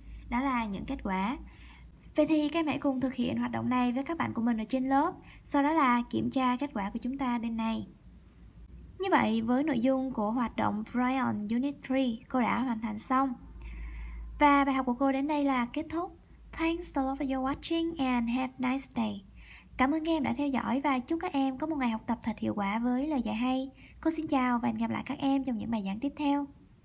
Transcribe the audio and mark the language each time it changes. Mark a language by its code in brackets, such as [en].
[vi] Đó là những kết quả. Vậy thì các em hãy cùng thực hiện hoạt động này với các bạn của mình ở trên lớp, sau đó là kiểm tra kết quả của chúng ta bên này. Như vậy, với nội dung của hoạt động Brian Unit 3, cô đã hoàn thành xong. Và bài học của cô đến đây là kết thúc. [en] Thanks a lot for your watching and have a nice day. [vi] Cảm ơn các em đã theo dõi và chúc các em có một ngày học tập thật hiệu quả với lời dạy hay. Cô xin chào và hẹn gặp lại các em trong những bài giảng tiếp theo.